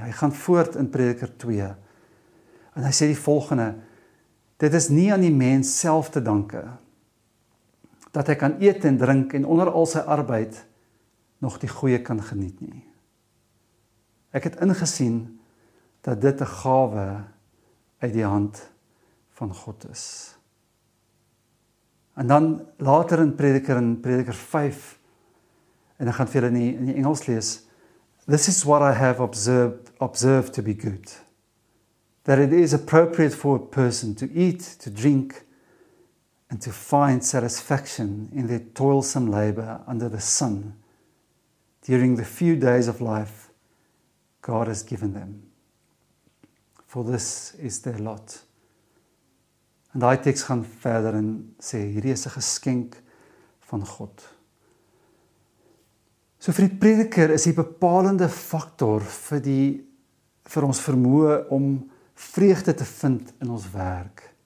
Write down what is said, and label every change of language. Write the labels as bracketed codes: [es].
[af] Hy gaan voort in prediker 2. En hy sê die volgende: dit is nie aan die mens self te danke dat hy kan eet en drink en onder al sy arbeid nog die goeie kan geniet nie. Ek het ingesien dat dit 'n gawe uit die hand van God is. En dan later in prediker 5, en ek gaan vir julle in die Engels lees: [en] this is what I have observed to be good, that it is appropriate for a person to eat, to drink, and to find satisfaction in their toilsome labor under the sun during the few days of life God has given them. For this is their lot. [af] En daai teks gaan verder en sê, hierdie is 'n geskenk van God. So vir die prediker is die bepalende faktor vir ons vermoë om vreugde te vind in ons werk.